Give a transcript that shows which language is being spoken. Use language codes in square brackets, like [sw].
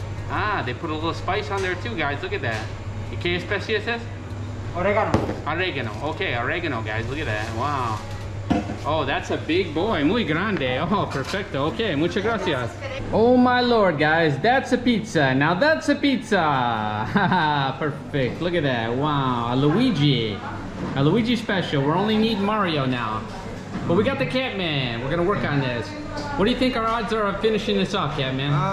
[en] Ah, they put a little spice on there too, guys, look at that. [es] ¿Y qué especie es? Oregano. [en] Oregano, okay, oregano, guys, look at that, wow. Oh, that's a big boy, [es] muy grande. [en] Oh, [es] perfecto, okay, muchas gracias. [en] Oh my lord, guys, that's a pizza. Now that's a pizza. Perfect, look at that, wow. A Luigi special. We only need Mario now. But we got the Catman. We're gonna work on this. What do you think our odds are of finishing this off, Catman?